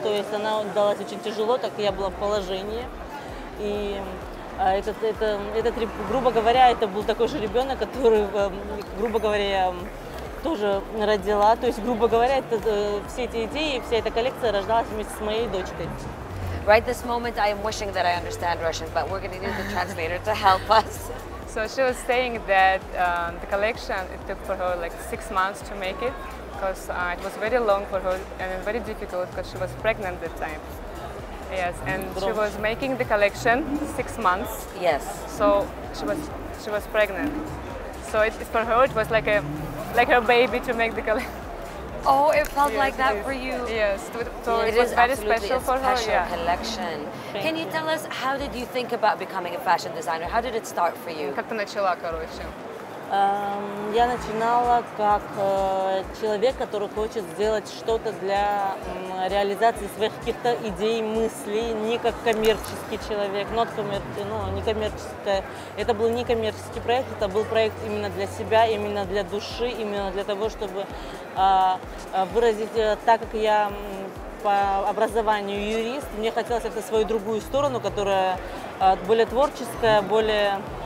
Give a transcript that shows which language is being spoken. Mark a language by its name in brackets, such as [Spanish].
[Russian] То есть она далась очень тяжело, так я была в положении. И этот, грубо говоря, это был такой же ребенок, который, грубо говоря, тоже родила. То есть, грубо говоря, это, все эти идеи, вся эта коллекция рождалась вместе с моей дочкой. [English] Right this moment, I am wishing that I understand Russian, but we're going to need the translator to help us. So she was saying that the collection, it took for her like 6 months to make it, because it was very long for her and very difficult because she was pregnant at the time. Yes, and she was making the collection 6 months. Yes. So she was pregnant. So it, for her, it was like her baby to make the collection. Oh, it felt like that for you. Yes, so it was very special for her. It is absolutely a special collection. Can you tell us, how did you think about becoming a fashion designer? How did it start for you? [Russian] Как ты начала, короче? Я начинала как человек, который хочет сделать что-то для реализации своих каких-то идей, мыслей, не как коммерческий человек, не коммерческое. Это был не коммерческий проект, это был проект именно для себя, именно для души, именно для того, чтобы выразить, так как я по образованию юрист, мне хотелось как-то свою другую сторону, которая более творческая, более...